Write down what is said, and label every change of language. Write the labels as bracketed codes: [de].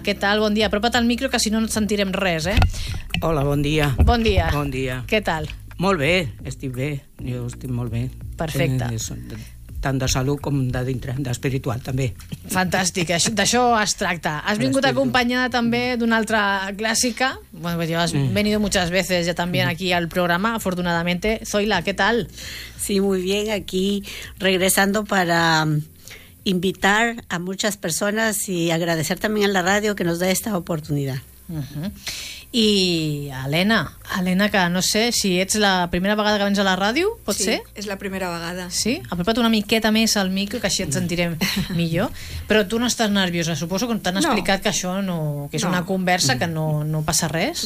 [ca] Què tal? Bon dia. Apropa't al micro, que si no no et sentirem res, eh? Hola, bon dia. Bon dia. Bon dia. Què tal? Molt bé, estic bé. Jo estic molt bé. Perfecte. Tant de salut com de dintre, d'espiritual, també. Fantàstic, d'això es tracta. Has vingut acompanyada també d'una altra clàssica. [es] Bueno, pues, has venido muchas veces ya también aquí al programa, afortunadamente. Zoila, ¿qué tal? Sí, muy bien, aquí regresando para invitar a muchas personas y agradecer también a la radio que nos da esta oportunidad. Uh-huh. [ca] I Elena, que no sé si ets la primera vegada que vens a la ràdio, pot sí, ser? Sí, és la primera vegada. Sí? Apropa't una miqueta més al micro, que així et sentirem millor. Però tu no estàs nerviosa, suposo que t'han explicat que això no, que és una conversa, que no passa res.